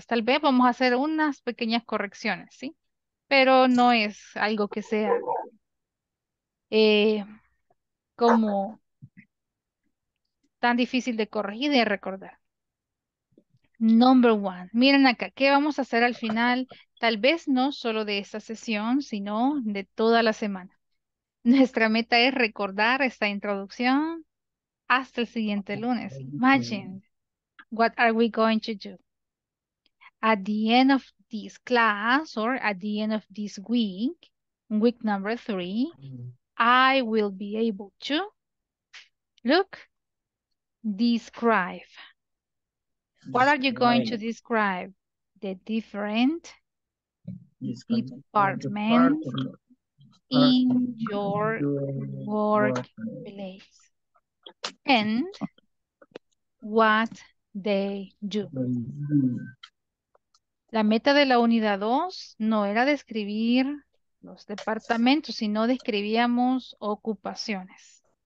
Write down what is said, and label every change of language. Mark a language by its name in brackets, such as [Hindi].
[Spanish] Tal vez vamos a hacer unas pequeñas correcciones, ¿sí? Pero no es algo que sea como tan difícil de corregir y de recordar. [English] Number one. [Spanish] Miren acá, ¿qué vamos a hacer al final? Tal vez no solo de esta sesión, sino de toda la semana. Nuestra meta es recordar esta introducción hasta el siguiente lunes. [English] Imagine, what are we going to do? At the end of this class, or at the end of this week, week number three, I will be able to look, describe. What are you going to describe? The different departments in your workplace and what they do. [Spanish] La meta de la unidad 2 no era describir los departamentos, sino describíamos ocupaciones.